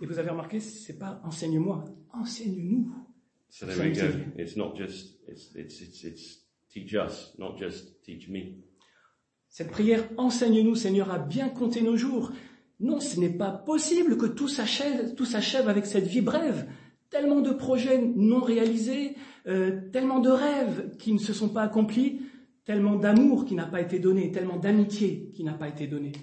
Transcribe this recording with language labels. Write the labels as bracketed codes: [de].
[fr] Et vous avez remarqué, c'est pas enseigne-moi, enseigne-nous. [en] So there we go. It's not just it's teach us, not just teach me. [fr] Cette prière, enseigne-nous, Seigneur, à bien compter nos jours. Non, ce n'est pas possible que tout s'achève avec cette vie brève. Tellement de projets non réalisés, tellement de rêves qui ne se sont pas accomplis, tellement d'amour qui n'a pas été donné, tellement d'amitié qui n'a pas été donnée.